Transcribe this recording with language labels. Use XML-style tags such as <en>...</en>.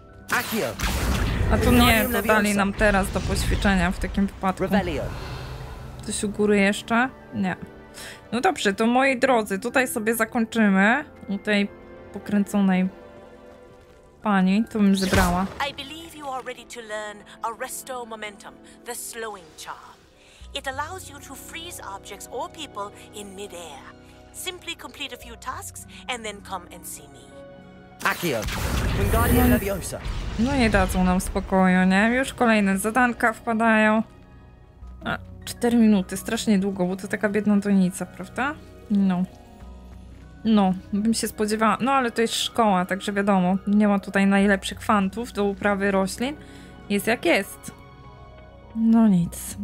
<pl>Accio. A tu nie, to dali nam teraz do poświęcenia w takim wypadku. Coś u góry jeszcze? Nie. No dobrze, to moi drodzy, tutaj sobie zakończymy. U tej pokręconej pani, to bym zebrała.</pl> <en>I believe you are ready to learn arresto momentum, the slowing charm. It allows you to freeze objects or people in midair. Simply complete a few tasks and then come and see me.</en> <pl>No nie dadzą nam spokoju, nie? Już kolejne zadanka wpadają. A, 4 minuty, strasznie długo, bo to taka biedna donica, prawda? No. No, bym się spodziewała. No ale to jest szkoła, także wiadomo. Nie ma tutaj najlepszych fantów do uprawy roślin. Jest jak jest. No nic.</pl>